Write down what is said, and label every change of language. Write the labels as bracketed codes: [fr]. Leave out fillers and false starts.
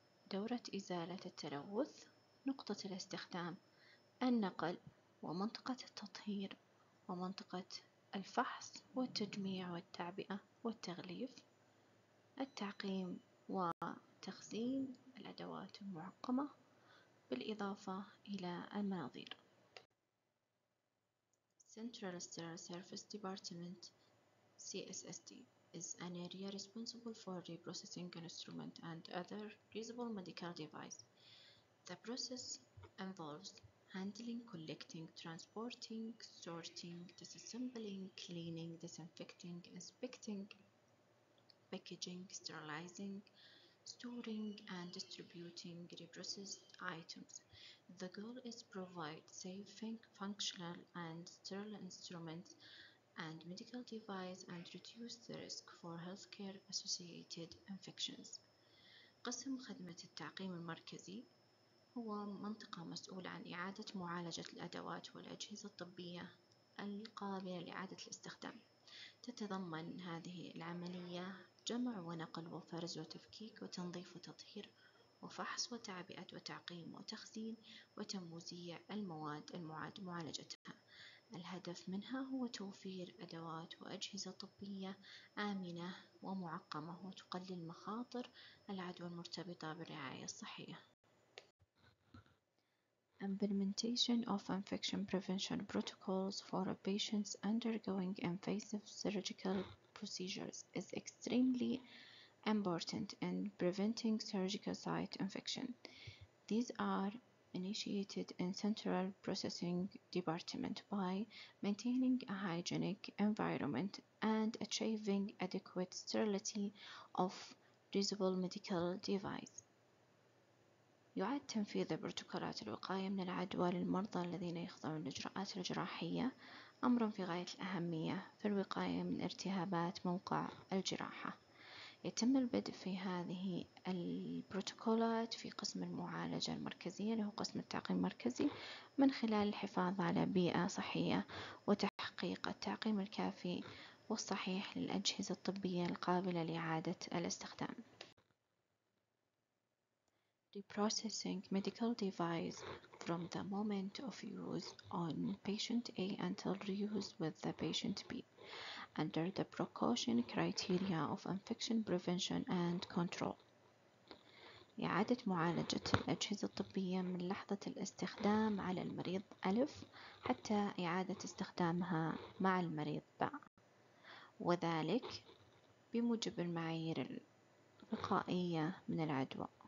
[ar] دورة إزالة التلوث، نقطة الاستخدام، النقل ومنطقة التطهير ومنطقة الفحص والتجميع والتعبئة والتغليف، التعقيم وتخزين الأدوات المعقمة بالإضافة إلى المناظير. [en] Central Sterile Surface Department CSSD is an area responsible for reprocessing instrument and other reusable medical device. The process involves handling, collecting, transporting, sorting, disassembling, cleaning, disinfecting, inspecting, packaging, sterilizing, storing and distributing reprocessed items. The goal is to provide safe, functional and sterile instruments and medical device and reduce the risk for healthcare associated infections. [ar] قسم خدمة التعقيم المركزي هو منطقة مسؤولة عن إعادة معالجة الأدوات والأجهزة الطبية القابلة لإعادة الاستخدام. تتضمن هذه العملية جمع ونقل وفرز وتفكيك وتنظيف وتطهير وفحص وتعبئة وتعقيم وتخزين وتموزيع المواد المعاد معالجتها. الهدف منها هو توفير أدوات وأجهزة طبية آمنة ومعقمة وتقلل مخاطر العدوى المرتبطة بالرعاية الصحية. [en] Implementation of infection prevention protocols for patients undergoing invasive surgical procedures is extremely important in preventing surgical site infection. These are initiated in central processing department by maintaining a hygienic environment and achieving adequate sterility of reusable medical device. [ar] يعد تنفيذ بروتوكولات الوقاية من العدوى للمرضى الذين يخضعون للإجراءات الجراحية أمر في غاية الأهمية في الوقاية من التهابات موقع الجراحة. يتم البدء في هذه البروتوكولات في قسم المعالجة المركزية له قسم التعقيم المركزي من خلال الحفاظ على بيئة صحية وتحقيق التعقيم الكافي والصحيح للأجهزة الطبية القابلة لإعادة الاستخدام. [en] Reprocessing medical device from the moment of use on patient A until reuse with the patient B under the precaution criteria of infection prevention and control. [ar] إعادة معالجة الأجهزة الطبية من لحظة الاستخدام على المريض ألف حتى إعادة استخدامها مع المريض باء، وذلك بموجب المعايير الوقائية من العدوى.